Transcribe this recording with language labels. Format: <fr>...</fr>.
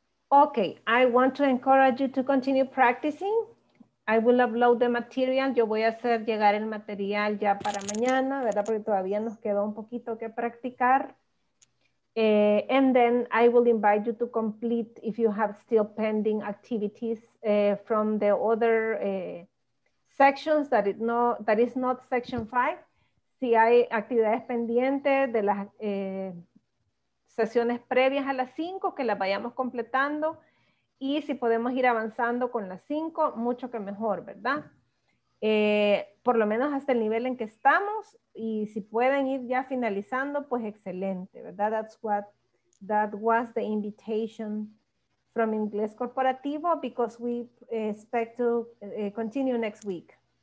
<en>Ok, I want to encourage you to continue practicing. I will upload the material.</en> <es>Yo voy a hacer llegar el material ya para mañana, ¿verdad? Porque todavía nos quedó un poquito que practicar. And then I will invite you to complete if you have still pending activities from the other sections that is not section 5. Si hay actividades pendientes de las sesiones previas a las 5, que las vayamos completando. Y si podemos ir avanzando con las 5, mucho que mejor, ¿verdad? Por lo menos hasta el nivel en que estamos. Y si pueden ir ya finalizando, pues excelente, ¿verdad?</es> <en>That was the invitation from Inglés Corporativo because we expect to continue next week.</en>